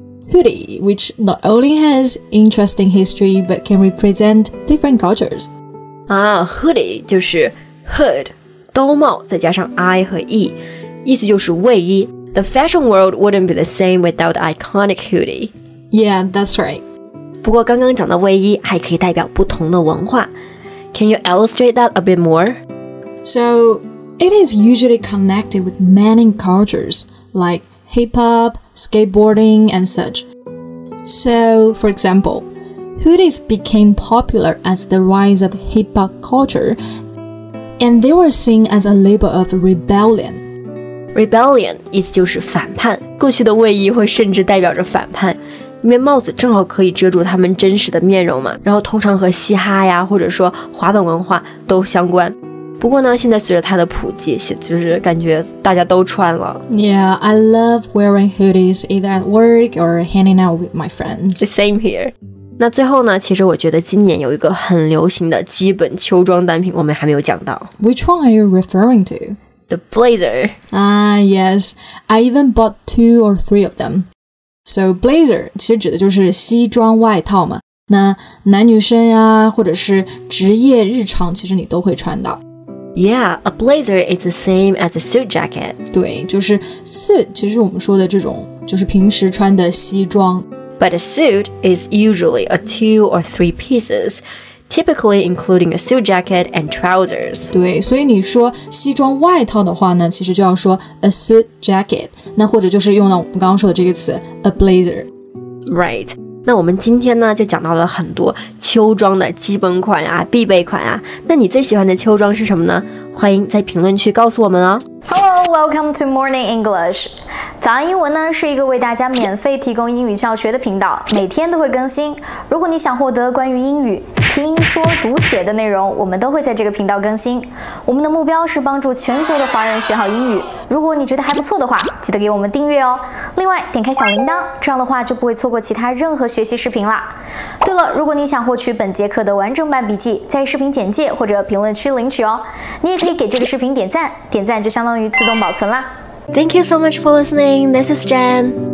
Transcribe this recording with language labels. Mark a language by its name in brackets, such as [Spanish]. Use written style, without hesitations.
[English] Hoodie, which not only has interesting history, but can represent different cultures. [Chinese] Hoodie 就是 hood, 兜帽再加上 I 和 E, 意思就是卫衣。 [English] The fashion world wouldn't be the same without the iconic hoodie. Yeah, that's right. [Chinese] 不过刚刚讲的卫衣还可以代表不同的文化。 [English] Can you illustrate that a bit more? So, it is usually connected with many cultures, like hip-hop,skateboarding and such. So, for example, hoodies became popular as the rise of hip-hop culture, and they were seen as a label of rebellion. [Chinese] Rebellion 意思就是反叛，过去的卫衣会甚至代表着反叛，因为帽子正好可以遮住他们真实的面容嘛，然后通常和嘻哈呀，或者说滑板文化都相关。不过呢现在随着它的普及就是感觉大家都穿了。 [English] Yeah, I love wearing hoodies either at work or hanging out with my friends. The same here. [Chinese] 那最后呢其实我觉得今年有一个很流行的基本秋装单品我们还没有讲到。 [English] Which one are you referring to? The blazer. Yes, I even bought two or three of them. [Chinese] So blazer 其实指的就是西装外套嘛。那男女生啊或者是职业日常其实你都会穿到。 [English] Yeah, a blazer is the same as a suit jacket. [Chinese] 对，就是 suit 其实我们说的这种就是平时穿的西装。 [English] But a suit is usually a two or three pieces, typically including a suit jacket and trousers. [Chinese] 对，所以你说西装外套的话呢，其实就要说 a suit jacket, 那或者就是用到我们刚刚说的这个词 a blazer. [English] Right. [Chinese] 那我们今天呢就讲到了很多秋装的基本款啊必备款啊，那你最喜欢的秋装是什么呢？欢迎在评论区告诉我们哦。 [English] Hello, welcome to Morning English. [Chinese] 早安英文呢是一个为大家免费提供英语教学的频道，每天都会更新。如果你想获得关于英语听说读写的内容，我们都会在这个频道更新。我们的目标是帮助全球的华人学好英语。如果你觉得还不错的话，记得给我们订阅哦。另外，点开小铃铛，这样的话就不会错过其他任何学习视频啦。对了，如果你想获取本节课的完整版笔记，在视频简介或者评论区领取哦。你也可以给这个视频点赞，点赞就相当于自动保存啦。 [English] Thank you so much for listening. This is Jen.